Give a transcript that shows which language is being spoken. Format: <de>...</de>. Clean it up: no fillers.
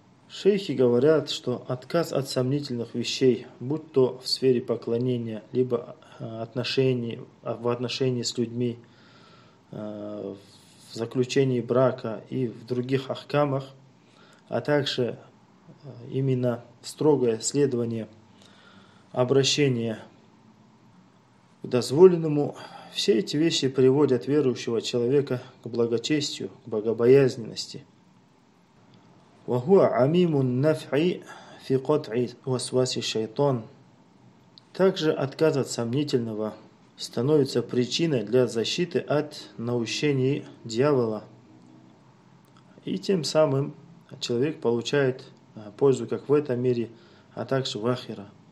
<ru>Шейхи говорят, что отказ от сомнительных вещей, будь то в сфере поклонения, либо отношений, в отношении с людьми, в заключении брака и в других ахкамах, а также именно строгое следование, обращение к дозволенному, все эти вещи приводят верующего человека к благочестию, к богобоязненности.</ru> <ar>وهو عميم النفع في قطع وسواس الشيطان.</ar> <ru>Также отказ от сомнительного становится причиной для защиты от наущений дьявола. И тем самым человек получает пользу как в этом мире, а также в ахира.</ru>